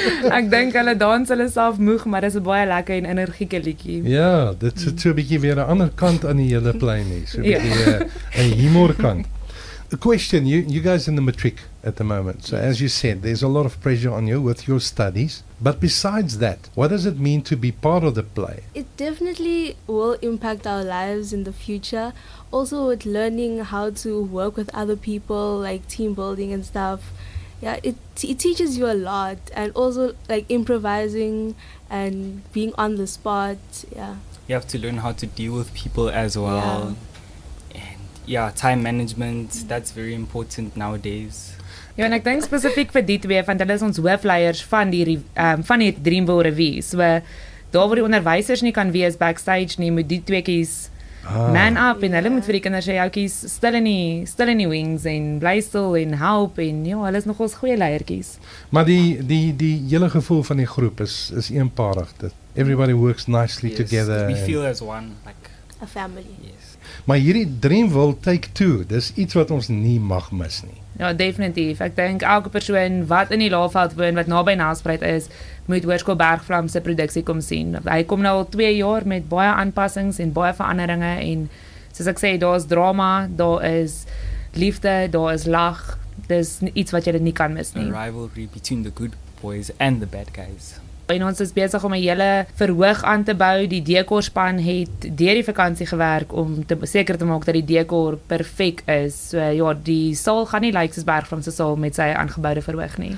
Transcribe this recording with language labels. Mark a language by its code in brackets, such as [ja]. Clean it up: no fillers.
[af] Ek dink hulle dans hulle self moeg, maar dis 'n baie lekker en energieke liedjie. Ja, dit is so 'n bietjie weer 'n ander kant aan die hele plein hier, so 'n bietjie 'n humor kant. [en] A question, you guys in the matric at the moment, so as you said, there's a lot of pressure on you with your studies, but besides that, what does it mean to be part of the play? It definitely will impact our lives in the future, also with learning how to work with other people, like team building and stuff. Yeah, it teaches you a lot, and also like improvising and being on the spot. Yeah, you have to learn how to deal with people as well. Yeah. Ja, time management, that's very important nowadays. [af] Ja, en ek dink spesifiek vir die twee, want hulle is ons hoofleiers van die Dreamville Revue. So, daar waar die onderwysers nie kan wees backstage nie, moet die twee kies [en] man up, [af] en hulle moet vir die kinders sê, jou kies stil in die wings, en bly stil en help, en ja, hulle is nogals goeie leierkies. Maar die hele gevoel van die groep is eenparig. [en] Dat everybody works nicely yes, together. We feel as one, like a family. Yes. [af] Maar hierdie Dreamville Take 2, dis iets wat ons nie mag mis nie. Ja, definitief. Ek dink elke persoon wat in die Laagveld woon, wat naby Nelspruit is, moet Hoërskool Bergvlam se produksie kom sien. Hy kom nou al 2 jaar met baie aanpassings en baie veranderinge, en soos ek sê, daar is drama, daar is liefde, daar is lag. Dis iets wat jy nie kan mis nie. [en] A rivalry between the good boys and the bad guys. [af] En ons is besig om 'n hele verhoog aan te bou. Die dekorspan het deur die vakansie gewerk om te seker te maak dat die dekor perfek is. So ja, die saal gaan nie lyk soos Bergvlam se saal met sy aangeboude verhoog nie.